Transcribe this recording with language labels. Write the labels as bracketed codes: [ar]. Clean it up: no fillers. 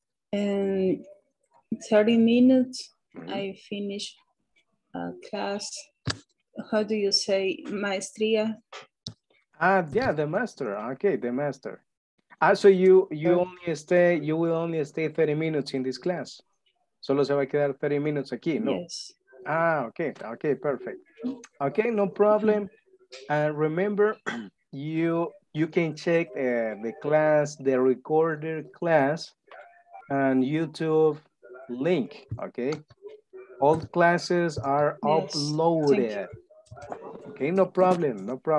[en] In 30 minutes, I finish a class. How do you say maestría? The master. Okay, the master. So you will only stay 30 minutes in this class. [es] Solo se va a quedar 30 minutes aquí, ¿no? [en] Yes. Okay, perfect. Okay, no problem. Remember, you can check the class, the recorded class on YouTube link, okay? All classes are uploaded. Okay, no problem.